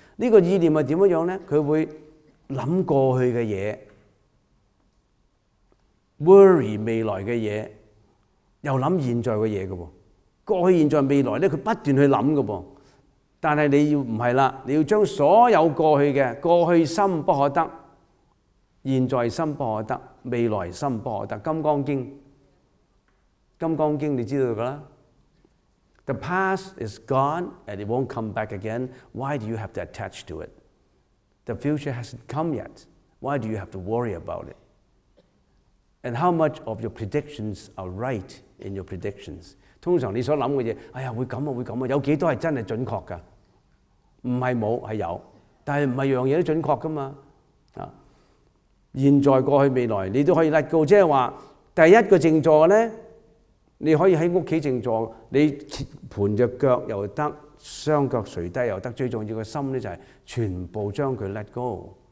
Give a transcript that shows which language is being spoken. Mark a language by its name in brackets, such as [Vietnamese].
[Cantonese] 呢個意念係點樣咧？佢會諗過去嘅嘢 ，worry 未來嘅嘢，又諗現在嘅嘢嘅噃。過去、現在、未來咧，佢不斷去諗嘅噃。但係你要唔係啦？你要將所有過去嘅過去心不可得，現在心不可得，未來心不可得，《金剛經》。金剛經你知道噶啦 [English] ，The past is gone and it won't come back again. Why do you have to attach to it? The future hasn't come yet. Why do you have to worry about it? And how much of your predictions are right in your predictions? [Cantonese] 通常你所諗嘅嘢，哎呀會咁啊會咁啊，有幾多係真係準確噶？唔係冇係有，但係唔係樣嘢都準確噶嘛？啊，現在、過去、未來你都可以 [English] let go， [Cantonese] 即係話第一個靜坐咧。你可以在屋企靜坐，你盤著腳又得，雙腳垂低又得，最重要的心咧就係全部將佢 [English] let go。